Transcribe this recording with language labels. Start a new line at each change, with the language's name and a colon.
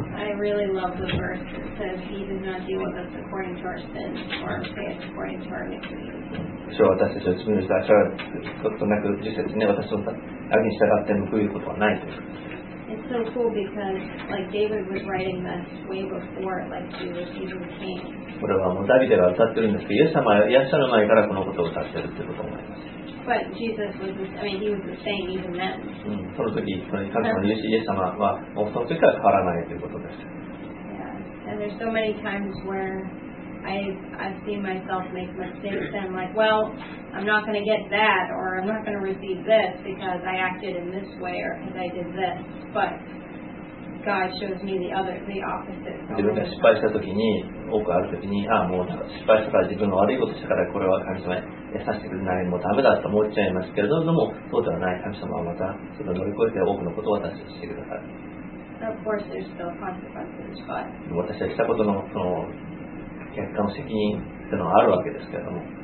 English: I really love the verse that says He does not deal with us according to our sins or pay us according to our iniquities.
Japanese: 私たちの罪を従ってなく、実際に私の悪に従って報いることはない。
English: It's so cool because like David was writing this way before, like he was even king.
Japanese: これはもうダビデが歌ってるんですけど、イエス様がいらっしゃる前からこのことを歌ってるってことを思います。
English: But Jesus was, I mean, he was the same even then.
Japanese: その時、神様、イエス様はもうその時から変わらないということです。
English: Yeah. And there's so many times where I've seen myself make mistakes and like, well, I'm not going to get that or I'm not going to receive this because I acted in this way or because I did this. But God shows me the opposite.
Japanese: 自分が失敗した時に、多くある時に、ああ、もう失敗したから自分が悪いことしたからこれは神様。させてくれないもうダメだと思っちゃいますけれども、そうではない神様はまたそれを乗り越えて多くのことを私たちにしてくださる。私たちはしたことのその結果の責任というのはあるわけですけれども。